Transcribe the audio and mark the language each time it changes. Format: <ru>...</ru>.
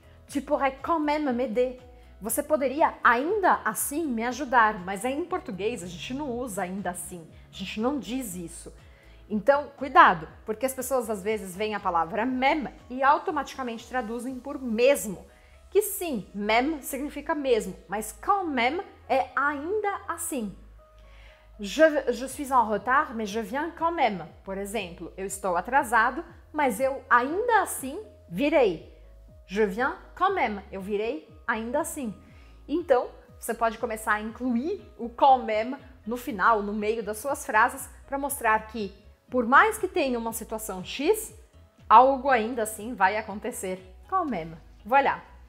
<fr>Tu pourrais quand même m'aider.</fr> <pt>Você poderia ainda assim me ajudar, mas em português a gente não usa ainda assim. A gente não diz isso. Então, cuidado, porque as pessoas às vezes veem a palavra même e automaticamente traduzem por mesmo. Que sim, même significa mesmo, mas quand même é ainda assim.</pt> <fr>Je suis en retard, mais je viens quand même.</fr> <pt>Por exemplo, eu estou atrasado, mas eu ainda assim virei. Je viens quand même. Eu virei ainda assim. Então, você pode começar a incluir o quand même no final, no meio das suas frases, para mostrar que por mais que tenha uma situação X, algo ainda assim vai acontecer. Quand même. Voilà.</pt>